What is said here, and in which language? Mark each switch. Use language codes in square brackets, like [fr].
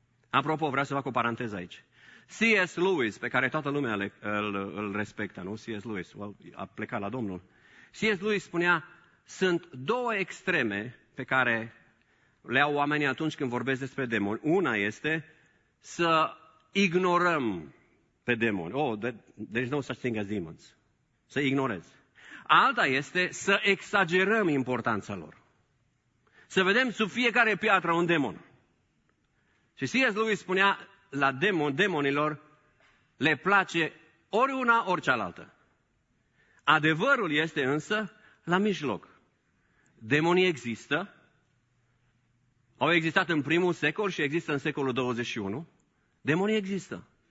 [ro] Apropo, vreau să fac o paranteză aici. C.S. Lewis, pe care toată lumea îl respectă, nu? C.S. Lewis, a plecat la Domnul. C.S. Lewis spunea, sunt două extreme pe care le au oamenii atunci când vorbesc despre demoni. Una este să ignorăm pe demoni. [en] Oh, there is no such thing as demons. [ro] Să ignorezi. Alta este să exagerăm importanța lor. Să vedem sub fiecare piatră un demon. Și C.S. Lewis spunea, la demonilor le place ori una, ori cealaltă. Adevărul este însă la mijloc. Demonii există, au existat în primul secol și există în secolul 21. Demonii există.